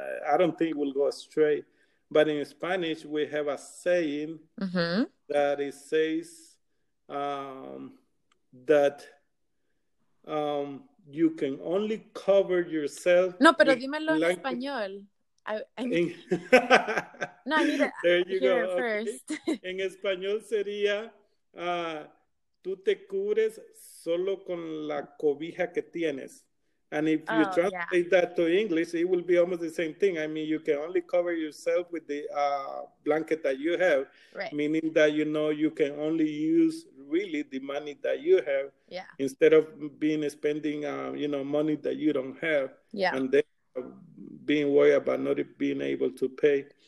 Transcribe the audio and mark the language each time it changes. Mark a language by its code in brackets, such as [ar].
[en] I don't think it will go straight. But in Spanish, we have a saying that it says that you can only cover yourself. [es] No, pero dímelo en español. [en] No, I need it there you here go. First. Okay. [es] En español sería, tú te cubres solo con la cobija que tienes. [en] And if you translate that to English, it will be almost the same thing. I mean, you can only cover yourself with the blanket that you have, right. Meaning that, you know, you can only use really the money that you have instead of being spending, you know, money that you don't have and then being worried about not being able to pay.